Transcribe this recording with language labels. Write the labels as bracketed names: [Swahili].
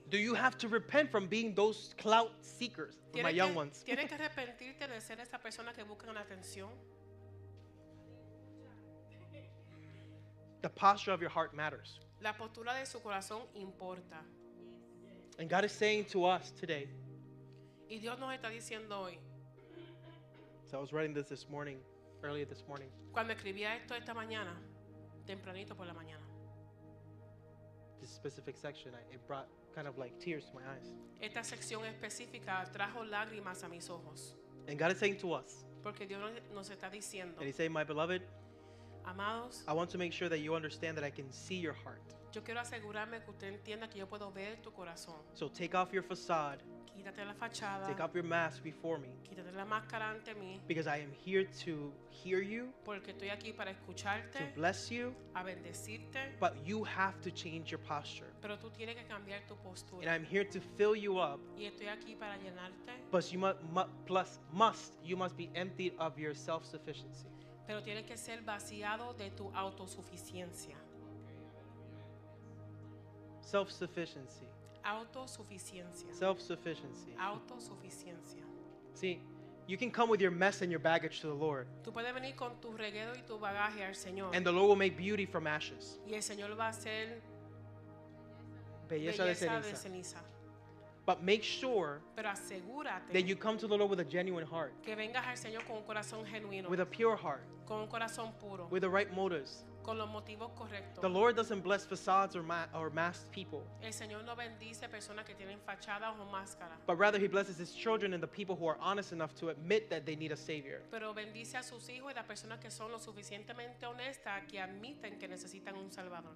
[English] Do you have to repent from being those clout seekers for [Spanish] tienes [English] my young ones? [Spanish] Tienes que arrepentirte de ser esa persona que busca la atención. [English] The posture of your heart matters. [Spanish] La postura de su corazón importa. [English] And God is saying to us today. [Spanish] Y Dios nos está diciendo hoy. [English] So I was writing this morning, earlier this morning. [Spanish] Cuando escribía esto esta mañana, tempranito por la mañana. [English] This specific section, it brought kind of like tears to my eyes. [Spanish] Esta sección específica trajo lágrimas a mis ojos. [English] And God is saying to us. [Spanish] Porque Dios nos está diciendo. [English] And he said, my beloved. [Spanish] Amados. [English] I want to make sure that you understand that I can see your heart. [Spanish] Yo quiero asegurarme que usted entienda que yo puedo ver tu corazón. [English] So take off your facade. [Spanish] Quítate la fachada. [English] Take off your mask before me. [Spanish] Quítate la máscara ante mí. [English] Because I am here to hear you. [Spanish] Porque estoy aquí para escucharte. [English] To bless you. [Spanish] A bendecirte. [English] But you have to change your posture. [Spanish] Pero tú tienes que cambiar tu postura. [English] And I'm here to fill you up. [Spanish] Y estoy aquí para llenarte. [English] But you must be emptied of your self-sufficiency. [Spanish] Pero tienes que ser vaciado de tu autosuficiencia. [English] Self-sufficiency. [Spanish] Autosuficiencia. [English] Self-sufficiency. [Spanish] Autosuficiencia. [English] See, you can come with your mess and your baggage to the Lord. [Spanish] Tú puedes venir con tu reguero y tu bagaje al Señor. [English] And the Lord will make beauty from ashes. [Spanish] Y el Señor va a hacer belleza de ceniza. De ceniza. [English] But make sure, [Spanish] pero asegúrate, [English] that you come to the Lord with a genuine heart. [Spanish] Que vengas al Señor con un corazón genuino. [English] With a pure heart. [Spanish] Con un corazón puro. [English] With the right motives. [Spanish] con los motivos correctos. [English] The Lord doesn't bless facades or masked people. [Spanish] El Señor no bendice personas que tienen fachadas o máscaras. [English] But rather, He blesses His children and the people who are honest enough to admit that they need a Savior. [Spanish] Pero bendice a sus hijos y las personas que son lo suficientemente honestas que admiten que necesitan un Salvador.